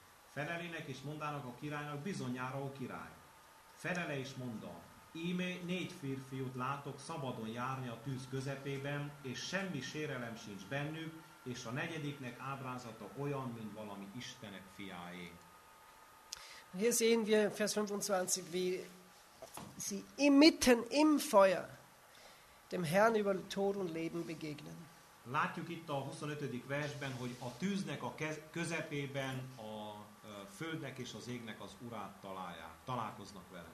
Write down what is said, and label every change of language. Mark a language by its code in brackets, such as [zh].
[hu] Felelének és mondának a királynak, bizonyára a király. Felele is mondta, íme négy férfiút látok szabadon járni a tűz közepében, és semmi sérelem sincs bennük, és a negyediknek ábrázata olyan, mint valami Istenek fiáé. [de] Hier sehen wir Vers 25, wie sie inmitten im Feuer dem Herrn über Tod und Leben begegnen. [hu] Látjuk itt a 25. versben, hogy a tűznek a közepében a földnek és az égnek az urát találják, találkoznak vele.